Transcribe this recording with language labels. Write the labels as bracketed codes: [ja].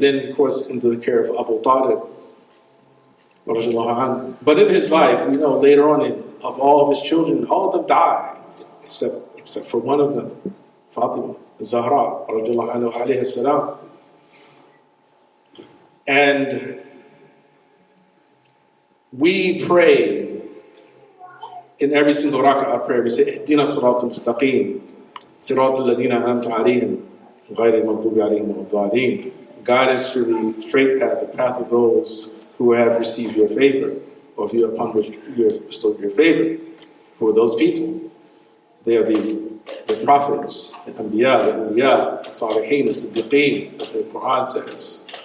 [en] Then, of course, into the care of Abu Talib. But in his life, you know, later on, of all of his children, all of them die, except for one of them, Fatima, Zahra, radiallahu anhu, alayhi salam. And we pray in every single raka'ah prayer. [ar] We say, اهدنا صراط المستقيم صراط الذين أنعمت عليهم غير المغضوب عليهم ولا الضالين. [en] Guide us to the straight path, the path of those who have received your favor, or you upon which you have bestowed your favor. Who are those people? They are the prophets, the anbiya, the awliya, the salihin, the siddiqin, as the Quran says.